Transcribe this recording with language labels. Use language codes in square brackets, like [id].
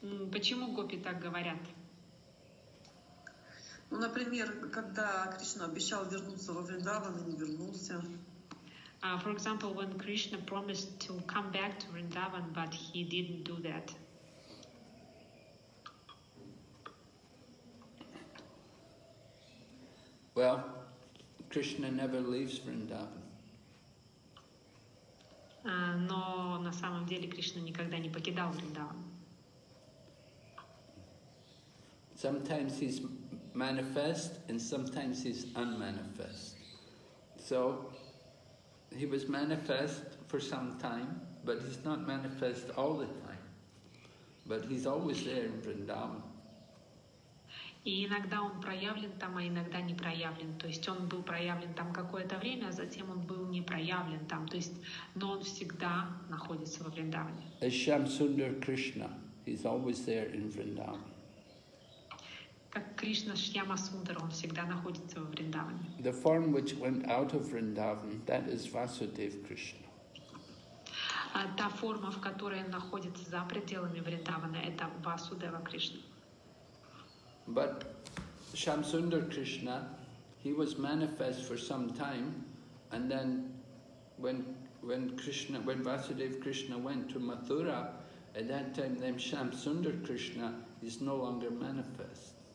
[ru] Почему гопи так говорят? Ну, например, когда Кришна обещал вернуться во Вриндаван и не вернулся. [en] For example, when Krishna promised to come back to Vrindavan, but he didn't do that. Well, Krishna never leaves Vrindavan. [ru] Но на самом деле Кришна никогда не покидал Вриндаван. [en] Sometimes he's manifest and sometimes he's unmanifest. So he was manifest for some time, but he's not manifest all the time. But he's always there in Vrindavan. [ru] И иногда он проявлен там, а иногда не проявлен. То есть он был проявлен там какое-то время, а затем он был не проявлен там. То есть, но он всегда находится во Вриндаване. [en] As Shamsundar Krishna, he's always there in Vrindavan. [ru] Как Кришна Шьяма Сундара, он всегда находится во Вриндаване. [en] The form which went out of Vrindavan, that is Vasudev Krishna. [ru] Та форма, в которой он находится за пределами Вриндавана, это Васудева Кришна. [en] But Shamsundar Krishna, He was manifest for some time, and then when Vasudev Krishna went to Mathura, at that time then Shamsundar Krishna is no longer manifest.